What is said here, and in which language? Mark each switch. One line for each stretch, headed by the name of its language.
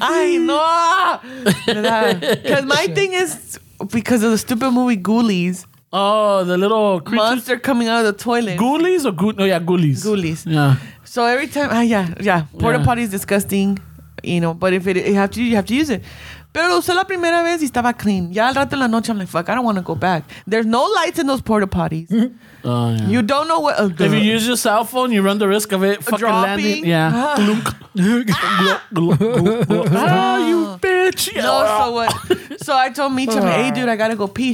English: I know. Because my thing is, because of the stupid movie Ghoulies. Oh, the little creatures? Monster coming out of the toilet. Ghoulies or Ghoulies? Oh, yeah, Ghoulies. Ghoulies. Yeah. So every time, porta potty is disgusting, you know, but if you have to use it.
Spanish: Pero lo usé la primera vez y estaba
English: clean.
Spanish: Ya al rato en la noche,
English: I'm like, fuck, I don't want to go back. There's no lights in those porta potties. Oh, yeah. You don't know what. If you use your cell phone, you run the risk of it fucking landing. Yeah. Oh, you bitch. No, so what? So I told Mitch, I'm like, hey, dude, I got to go pee.